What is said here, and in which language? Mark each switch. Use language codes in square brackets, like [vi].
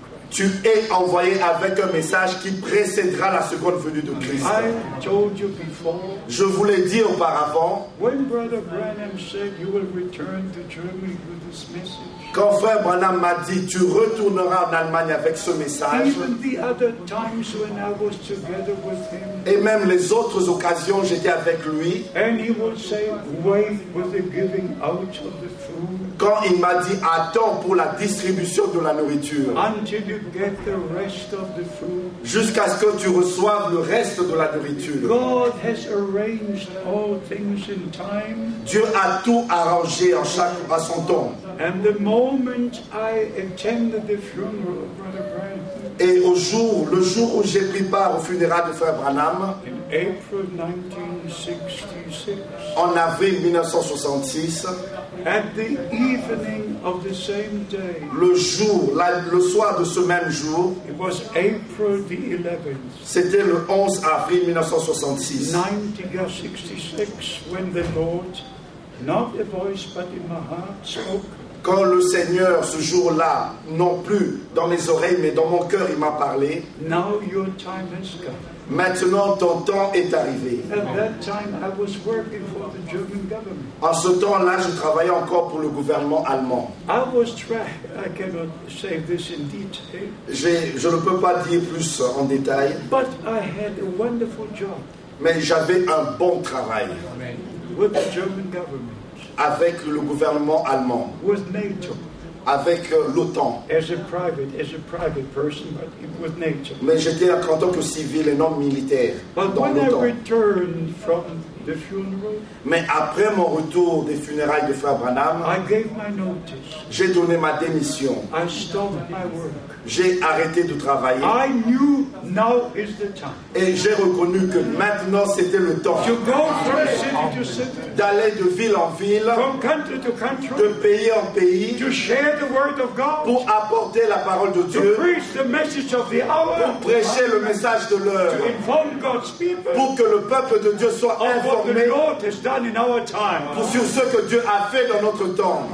[fr] Tu es envoyé avec un message qui précédera la seconde venue de Christ. [en] I told you before, [fr] je vous l'ai dit auparavant, [en] when Brother Branham said you will return to Germany with this message, [fr] quand frère Branham m'a dit tu retourneras en Allemagne avec ce message, [en] even the other times when I was together with him, [fr] et même les autres occasions j'étais avec lui, [en] and he would say, wait with the giving out of the food, [fr] quand il m'a dit attends pour la distribution de la nourriture, [en] until you get the rest of the food, [fr] jusqu'à ce que tu reçoives le reste de la nourriture. [en] God has arranged all things in time. [fr] Dieu a tout arrangé en chaque à son temps. [en] And the moment I attended the funeral of Brother Branham, [fr] et au jour, le jour où j'ai pris part au funérail de frère Branham, [en] in April 1966, [fr] en avril 1966, [en] at the evening of the same day, [fr] le jour, le soir de ce même jour, [en] it was April the 11th, [fr] c'était le 11 avril 1966, [en] 1966, when the Lord, not a voice but in my heart, spoke. [fr] Quand le Seigneur, ce jour-là, non plus dans mes oreilles, mais dans mon cœur, il m'a parlé. [en] Now your time has come. [fr] Maintenant, ton temps est arrivé. [en] At that time, I was working for the German government. [fr] En ce temps-là, je travaillais encore pour le gouvernement allemand. [en] I was I cannot say this in detail. [fr] Je ne peux pas dire plus en détail. [en] But I had a wonderful job. [fr] Mais j'avais un bon travail. [en] Amen. With the German government. [fr] Avec le gouvernement allemand, [en] with NATO, [fr] avec l'OTAN. [en] As a private person, but with NATO. [fr] Mais j'étais en tant que civil et non militaire [en] but [fr] dans [en] when [fr] l'OTAN. [en] I returned from the funeral, [fr] mais après mon retour des funérailles de frère Branham, [en] I gave my notice. [fr] J'ai donné ma démission. [en] I stopped my work. [fr] J'ai arrêté de travailler. [en] I knew now is the time. [fr] Et j'ai reconnu que maintenant c'était le temps [en] to go from city to city, [fr] d'aller de ville en ville, [en] from country to country, [fr] de pays en pays, [en] to share the word of God, [fr] pour apporter la parole de Dieu, [en] to preach the message of the hour, [fr] pour prêcher le message de l'heure, [en] to inform God's people, [fr] pour que le peuple de Dieu soit informé, [en] what the Lord has done in our time, [fr] pour sur ce que Dieu a fait dans notre temps.